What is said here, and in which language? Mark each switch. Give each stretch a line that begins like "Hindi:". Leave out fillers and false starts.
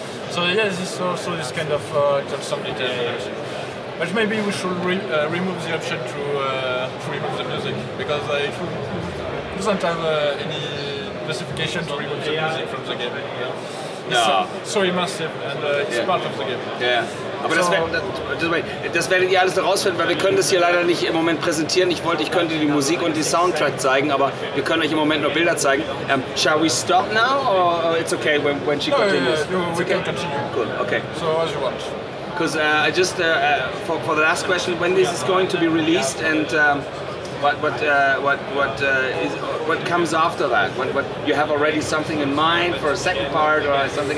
English: So this is also this kind of some details. But maybe we should remove the option to remove the music, because it doesn't have any specification to remove the music from the game. Yeah. so immersive and it's part of the game. Yeah.
German: Aber das werdet ihr alles herausfinden, weil wir können das hier leider nicht im Moment präsentieren. Ich könnte die Musik und die Soundtrack zeigen, aber wir können euch im Moment nur Bilder zeigen.
English: Shall we stop now or it's okay when she continues? No, we can continue. Cool, okay. So as you want. Because I just, for the last question, when this is going to be released and what comes after that? What you have already something in mind for a second part or something?